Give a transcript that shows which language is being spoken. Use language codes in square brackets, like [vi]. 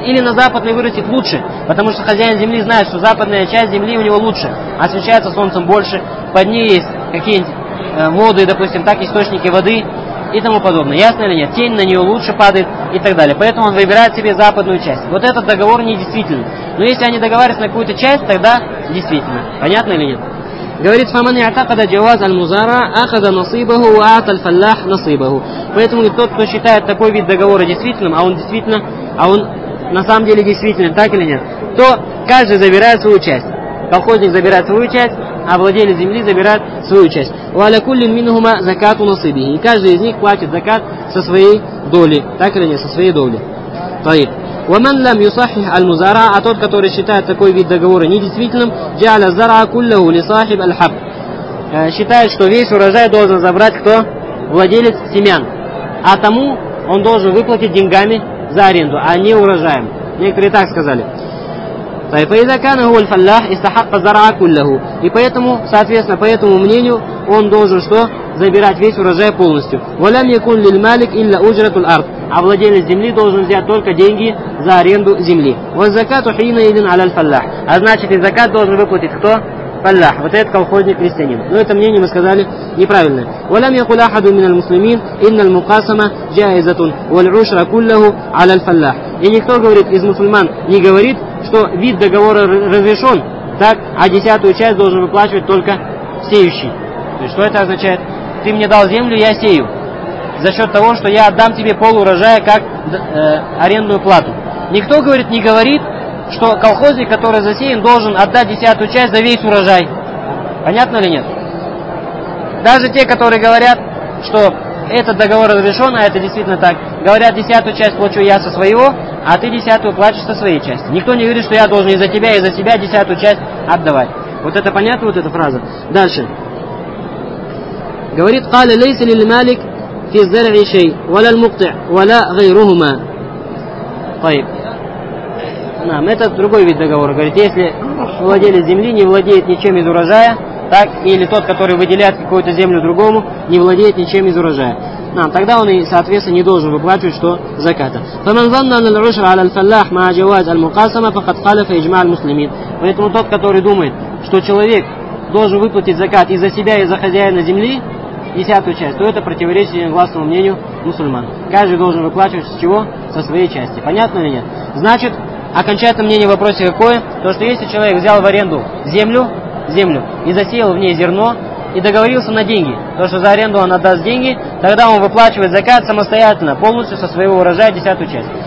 [ru] Или на западной вырастет лучше, потому что хозяин земли знает, что западная часть земли у него лучше, освещается солнцем больше, под ней есть какие-нибудь воды, допустим, так, источники воды и тому подобное. Ясно или нет? Тень на нее лучше падает и так далее. Поэтому он выбирает себе западную часть. Вот этот договор недействительный. Но если они договариваются на какую-то часть, тогда действительно. Понятно или нет? Говорит, [ar] فَمَنْ يَعْتَقَدَ جَوَازَ الْمُزَارَ أَخَذَ نَصِيبَهُ وَعَتَ الْفَلَّحْ نَصِيبَهُ. [ru] Поэтому тот, кто считает такой вид договора действительным, а он на самом деле действительный, так или нет, то каждый забирает свою часть. Колхозник забирает свою часть, а владелец земли забирает свою часть. [ar] وَعَلَى كُلِّ مِنْهُمَا زَكَاتُ نَصِيبِهِ. [ru] И каждый из них платит закат со своей доли. Так или нет, со своей доли. [ar] طيب. وَمَنْ لَمْ يُصَحِّحَ الْمُزَارَعَ. [ru] А тот, который считает такой вид договора недействительным, [ar] جَعَلَ الزَّرَعَ كُلَّهُ لِصَاحِبَ الْحَبِّ. [ru] Считает, что весь урожай должен забрать кто? Владелец семян. А тому он должен выплатить деньгами за аренду, а не урожаем. Некоторые так сказали. [ar] فَإِذَا كَانَ هُوَ الْفَلَّاحُ اِسْتَحَقَّ الزَّرَعَ كُلَّهُ. [ru] И поэтому, соответственно, по этому мнению, он должен что? Забирать весь урожай полностью. [ar] وَلَمْ يَكُنْ لِلْمَالِكِ إِلَّا أُجْرَةُ الْأَرْضِ. [ru] А владелец земли должен взять только деньги за аренду земли. [ar] وَالزَّكَاةُ حِينَئِذٍ عَلَى الْفَلَّاحِ. [ru] А значит, и закат должен выплатить кто? فلاح, вот этот колхозник крестьянин. Но это мнение мы сказали неправильное. [ar] ولم يقل أحد من المسلمين إن المقاسمة جائزة والعشر كله على الفلاح. [ru] И никто, говорит, из мусульман не говорит, что вид договора разрешен, так, а десятую часть должен выплачивать только сеющий. То есть что это означает? Ты мне дал землю, я сею. За счет того, что я отдам тебе полурожая как арендную плату. Никто, говорит, не говорит, что колхозник, который засеян, должен отдать десятую часть за весь урожай. Понятно или нет? Даже те, которые говорят, что этот договор разрешен, а это действительно так, говорят, десятую часть плачу я со своего, а ты десятую плачешь со своей части. Никто не говорит, что я должен из-за тебя и за себя десятую часть отдавать. Вот это понятно, вот эта фраза? Дальше. Говорит, [ar] قال ليس للمالك في الزرع شيء ولا المقطع ولا غيرهما. طيب. [ru] Нам это другой вид договора. Говорит, если владелец земли не владеет ничем из урожая, так, или тот, который выделяет какую-то землю другому, не владеет ничем из урожая. Нам тогда он и, соответственно, не должен выплачивать что заката. [ar] فمن ظن أن العشر على الفلاح مع جواز المقاسمة فقد خالف إجماع المسلمين. [ru] Поэтому тот, который думает, что человек должен выплатить закат и за себя, и за хозяина земли, десятую часть, то это противоречит единогласному мнению мусульман. Каждый должен выплачивать с чего? Со своей части. Понятно или нет? Значит, окончательное мнение в вопросе какое? То, что если человек взял в аренду землю и засеял в ней зерно, и договорился на деньги, то, что за аренду он отдаст деньги, тогда он выплачивает закат самостоятельно, полностью со своего урожая десятую часть.